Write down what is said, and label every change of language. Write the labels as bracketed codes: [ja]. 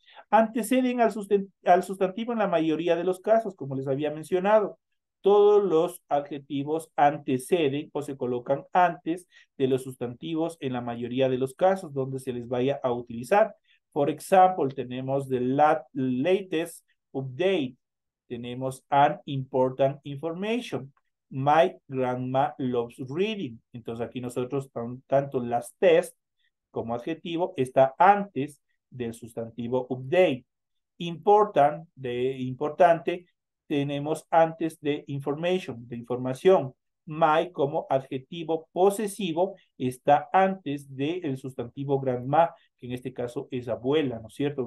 [es] anteceden al sustantivo en la mayoría de los casos, como les había mencionado. Todos los adjetivos anteceden o se colocan antes de los sustantivos en la mayoría de los casos donde se les vaya a utilizar. Por ejemplo, tenemos [en] the latest update. [es] Tenemos [en] an important information. My grandma loves reading. [es] Entonces aquí nosotros tanto last test como adjetivo está antes del sustantivo update. Important, de importante, tenemos antes de information, de información. My como adjetivo posesivo está antes del sustantivo grandma, que en este caso es abuela, ¿no es cierto?